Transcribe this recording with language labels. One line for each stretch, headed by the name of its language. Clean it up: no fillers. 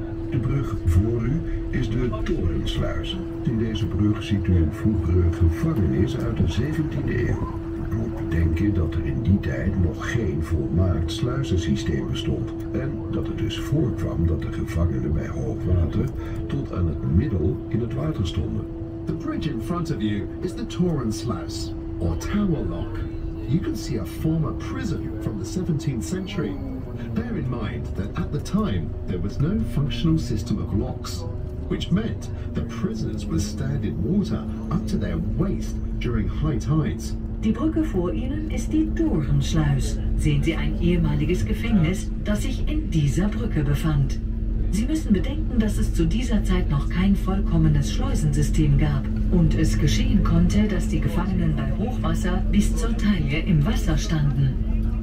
Dutch: De brug voor u is de Torensluis. In deze brug ziet u een vroegere gevangenis uit de 17e eeuw. Ook denken dat er in die tijd nog geen volmaakt sluizensysteem bestond. En dat het dus voorkwam dat de gevangenen bij hoogwater tot aan het middel in het water stonden.
English: The bridge in front of you is the Torensluis, or Tower Lock. You can see a former prison from the 17th century. Bear in mind that at the time there was no functional system of locks, which meant the prisoners would stand in water up to their waist during high tides.
German: Die Brücke vor Ihnen ist die Torensluis. Sehen Sie ein ehemaliges Gefängnis, das sich in dieser Brücke befand. Sie müssen bedenken, dass es zu dieser Zeit noch kein vollkommenes Schleusensystem gab und es geschehen konnte, dass die Gefangenen bei Hochwasser bis zur Taille im Wasser standen.